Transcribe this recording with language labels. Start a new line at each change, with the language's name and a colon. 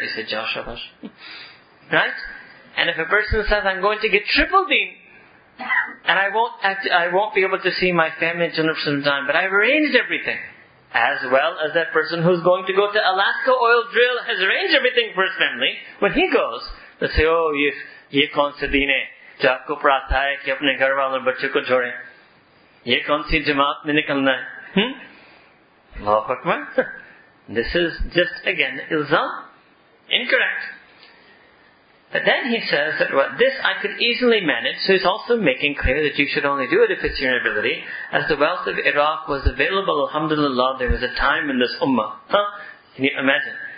English: He said, Jashabash. Right? And if a person says, I'm going to get triple deen, and I won't be able to see my family and children for some time, but I've arranged everything. As well as that person who's going to go to Alaska oil drill has arranged everything for his family. When he goes, they say, oh,
Urdu: یہ کون سے دین ہے، جو آپکو پرساد ہے، کہ اپنے گھر والوں اور بچوں کو چھوڑے۔ یہ کون سی جماعت میں نکلنا ہے؟
Arabic: Allahu Akbar.
English: This is just, again, ilzam. Incorrect. But then he says that this I could easily manage, so he's also making clear that you should only do it if it's your ability. As the wealth of Iraq was available, alhamdulillah, there was a time in this ummah. Huh? Can you imagine?